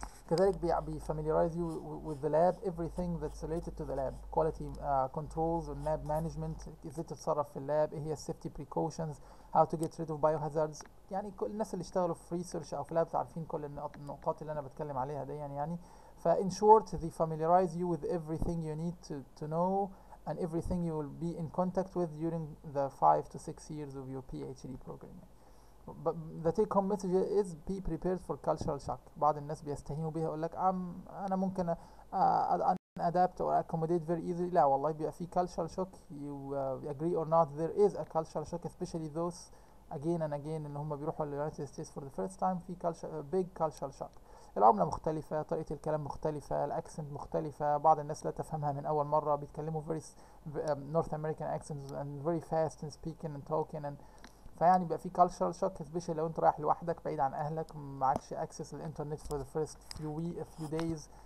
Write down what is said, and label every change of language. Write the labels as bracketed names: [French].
[Arabic] كذلك بي [English] familiarize you with the lab, everything that's related to the lab, quality controls and lab management, [Arabic] ازاي تتصرف في اللاب, [English] ايه هي safety precautions, how to get rid of biohazards. [Arabic] يعني كل الناس اللي اشتغلوا في research او في lab تعرفين كل النقاط اللي انا بتكلم عليها دي يعني. ف [English] in short they familiarize you with everything you need to know and everything you will be in contact with during the 5 to 6 years of your PhD program. But the take home message is be prepared for cultural shock. [Arabic] بعض الناس بيستهينوا بيها يقول لك انا ممكن adapt or accommodate very easily. لا والله بيبقى في [English] cultural shock. You agree or not, there is a cultural shock, especially those again and again [Arabic] اللي هم بيروحوا ال [English] United States for the first time. [Arabic] في [English] big cultural shock. [Arabic] العملة مختلفة, طريقة الكلام مختلفة, الأكسنت مختلفة, بعض الناس لا تفهمها من أول مرة, بيتكلموا [English] very North American accents and very fast in speaking and talking [Arabic] and فيعني بقى في cultural shock, especially لو انت رايح لوحدك بعيد عن أهلك, معكش access الانترنت [English] for the first few days.